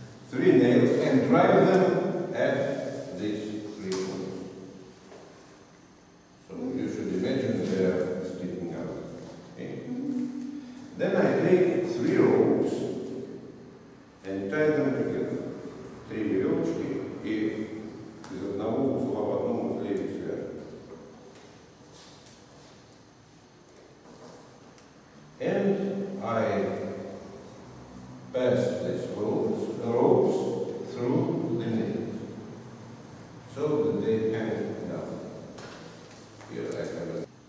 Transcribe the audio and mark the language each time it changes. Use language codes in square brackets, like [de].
[en] Three nails and drive them at this three points. So you should imagine they're sticking out. Okay? Then I take three ropes and tie them together. [ru] Три веревочки и из одного узла в одном узле их свяжу. [en] And I pass these ropes through the nails so that they hang down. Here I have it.